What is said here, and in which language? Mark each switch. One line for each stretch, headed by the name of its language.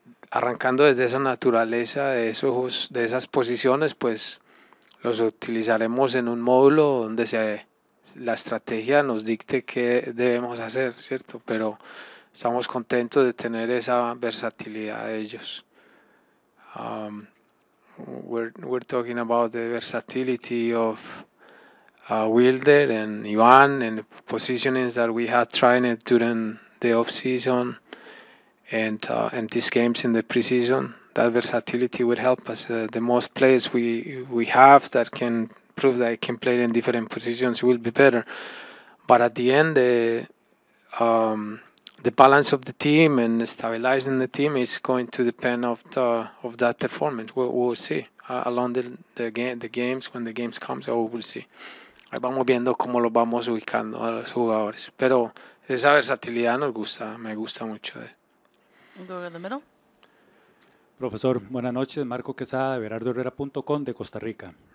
Spanish: Arrancando desde esa naturaleza, de esas posiciones, pues los utilizaremos en un módulo donde la estrategia nos dicte qué debemos hacer, ¿cierto? Pero estamos contentos de tener esa versatilidad de ellos.
English: We're talking about the versatility of Wilder and Iván and the positionings that we had trained during the off-season and these games in the preseason. That versatility would help us. The most players we have that can prove that they can play in different positions will be better. But at the end, the balance of the team and stabilizing the team is going to depend of that performance. We'll see along the games, when the games come, so we'll see.
Spanish: Ahí vamos viendo cómo los vamos ubicando a los jugadores. Pero esa versatilidad nos gusta, me gusta mucho.
English: Go to the middle.
Spanish: Profesor, buenas noches. Marco Quesada, de BerardoHerrera.com, de Costa Rica.